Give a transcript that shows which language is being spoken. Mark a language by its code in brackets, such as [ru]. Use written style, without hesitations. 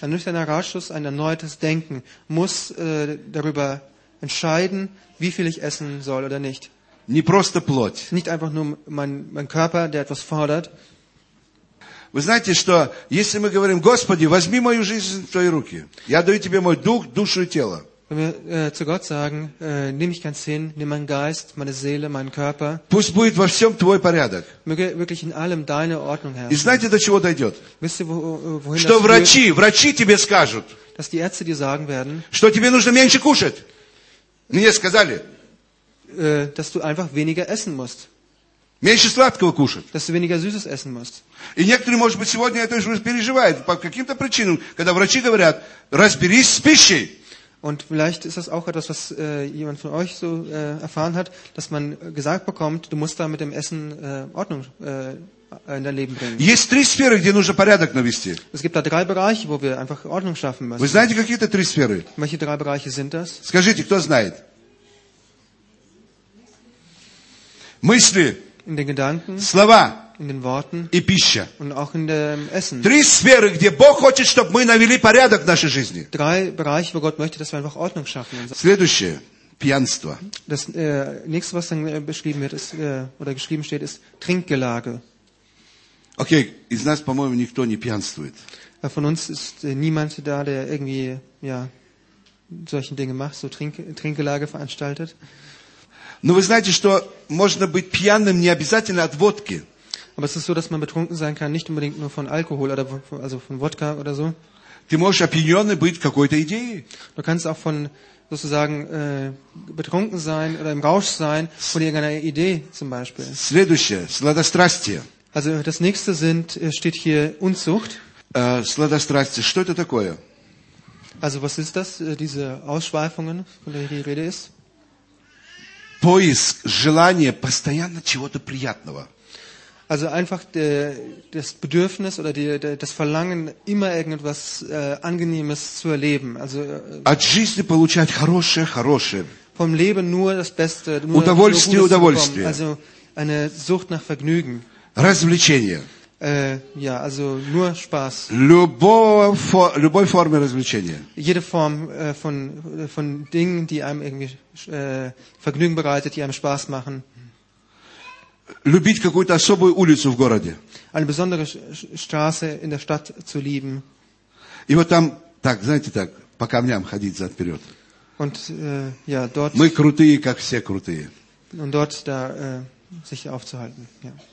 [de] Ein nüchterner Ratschluss, ein erneutes Denken muss darüber entscheiden, wie viel ich essen soll oder nicht. [ru] Не просто плоть. [de] Nicht einfach nur mein Körper, der etwas fordert. [ru] Вы знаете, что если мы говорим, Господи, возьми мою жизнь в твои руки, я даю тебе мой дух, душу и тело. [de] Wenn wir zu Gott sagen, nimm mich ganz hin, nimm meinen Geist, meine Seele, meinen Körper. [ru] Пусть будет во всем твой порядок. [de] Möge wirklich in allem deine Ordnung herrschen. [ru] И знаете, до чего дойдет? [de] Wisst ihr, wohin [ru] что врачи тебе скажут. [de] Dass die Ärzte dir sagen werden. [ru] Что тебе нужно меньше кушать. Мне сказали. [de] Dass du einfach weniger essen musst. [ru] Меньше сладкого кушать. [de] Dass du weniger süßes essen musst. [ru] И некоторые, может быть, сегодня это уже переживают по каким-то причинам, когда врачи говорят, разберись с пищей. [de] Und vielleicht ist das auch etwas, was jemand von euch so erfahren hat, dass man gesagt bekommt, du musst da mit dem Essen Ordnung in dein Leben bringen. [ru] Есть три сферы, где нужно порядок навести. [de] Es gibt da drei Bereiche, wo wir einfach Ordnung schaffen müssen. [ru] Вы знаете, какие это три сферы? [de] Welche drei Bereiche sind das? [ru] Скажите, кто знает? Мысли. [de] In den Gedanken. [ru] Слова. [de] In den Worten. [ru] И пища. [de] Und auch in dem Essen. [ru] Три сферы, где Бог хочет, чтобы мы навели порядок в нашей жизни. [de] Drei Bereiche, wo Gott möchte, dass wir einfach Ordnung schaffen. [ru] Следующее. Пьянство. [de] Das nächste, was dann beschrieben wird, ist, oder geschrieben steht, ist Trinkgelage. [ru] Okay, из нас, по-моему, никто не пьянствует. [de] Von uns ist niemand da, der irgendwie, ja, solche Dinge macht, so Trinkgelage veranstaltet. [ru] Но вы знаете, что можно быть пьяным не обязательно от водки. [de] Aber es ist so, dass man betrunken sein kann, nicht unbedingt nur von Alkohol, oder von, also von Wodka oder so. [ru] Ты можешь опьянённый быть какой-то идеей. [de] Du kannst auch von, sozusagen, betrunken sein oder im Rausch sein von irgendeiner Idee zum Beispiel. [ru] Следующее, сладострастие. [de] Also das nächste sind, steht hier Unzucht. [ru] Сладострастие, что это такое? [de] Also was ist das, diese Ausschweifungen, von der die Rede ist? [ru] Поиск, желание постоянно чего-то приятного. [de] Also einfach das Bedürfnis oder das Verlangen, immer irgendetwas Angenehmes zu erleben. Also [ru] от жизни получать хорошее. [de] Vom Leben nur das Beste, nur Gutes [ru] удовольствие, удовольствие. [de] Also eine Sucht nach Vergnügen. [ru] Развлечение. [de] Ja, also nur Spaß. [ru] Любой форме развлечения. [de] Jede Form von Dingen, die einem irgendwie Vergnügen bereitet, die einem Spaß machen. [ru] Любить какую-то особую улицу в городе. [de] Eine besondere Straße in der Stadt zu lieben. [ru] И вот там, так, знаете так, по камням ходить зад-вперед. [de] Und ja, dort. [ru] Мы крутые, как все крутые. [de] Und dort da sich aufzuhalten, ja.